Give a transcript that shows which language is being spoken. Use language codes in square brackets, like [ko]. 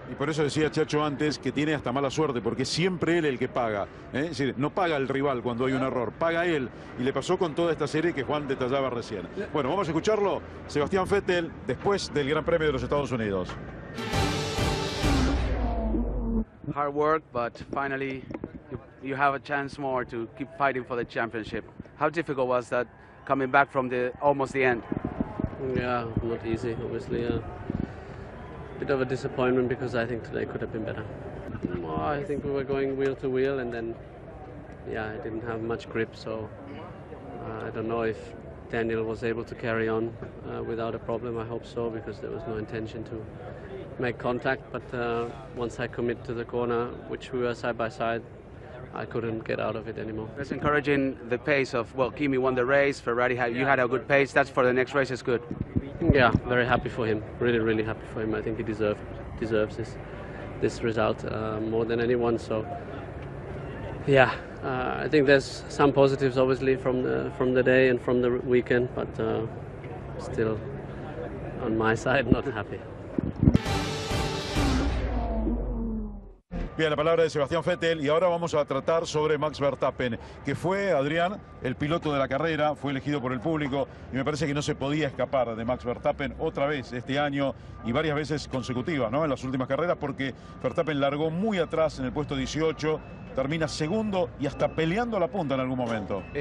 [es] Y por eso decía Chacho antes que tiene hasta mala suerte, porque siempre él el que paga, ¿eh? Es decir, no paga el rival cuando hay un error, paga él. Y le pasó con toda esta serie que Juan detallaba recién. Bueno, vamos a escucharlo. Sebastián Vettel, después del Gran Premio de los Estados Unidos. [en] Hard work, but finally you have a chance more to keep fighting for the championship. How difficult was that coming back from the almost the end? Yeah, not easy, obviously. Bit of a disappointment because I think today could have been better. Well, I think we were going wheel to wheel and then, yeah, I didn't have much grip, so I don't know if Daniel was able to carry on without a problem. I hope so, because there was no intention to make contact, but once I commit to the corner, which we were side by side, I couldn't get out of it anymore. That's encouraging, the pace of, well, Kimi won the race, Ferrari, you had a good pace, that's for the next race, is good. Yeah, very happy for him, really, really happy for him. I think he deserves this result more than anyone, so yeah. I think there's some positives, obviously, from the day and from the weekend, but still on my side, not happy. [es] Bien, la palabra de Sebastián Vettel, y ahora vamos a tratar sobre Max Verstappen, que fue, Adrián, el piloto de la carrera, fue elegido por el público, y me parece que no se podía escapar de Max Verstappen otra vez este año, y varias veces consecutivas, ¿no?, en las últimas carreras, porque Verstappen largó muy atrás en el puesto 18, termina segundo y hasta peleando la punta en algún momento.